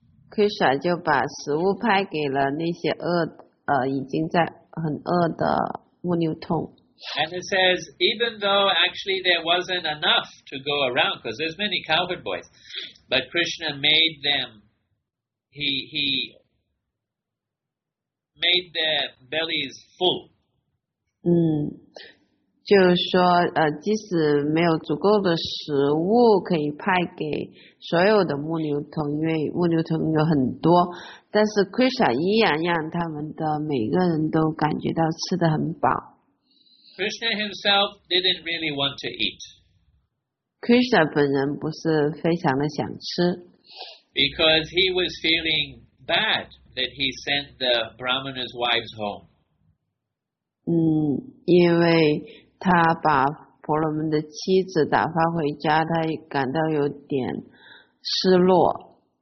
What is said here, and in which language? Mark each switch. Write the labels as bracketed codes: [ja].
[zh] Krishna 就把食物派给了那些已经在很饿的牧牛童。 [en] And it says, even though actually there wasn't enough to go around, because there's many cowherd boys, but Krishna made them, he made their bellies full. [zh] 就是说即使没有足够的食物可以派给所有的牧牛童，因为牧牛童有很多，但是 Krishna 依然让他们的每个人都感觉到吃得很饱。 [en] Krishna himself didn't really want to eat. [zh] Krishna 本人不是非常的想吃。 [en] Because he was feeling bad that he sent the Brahmana's wives home. [zh] 因为他把婆罗门的妻子打发回家，他感到有点失落。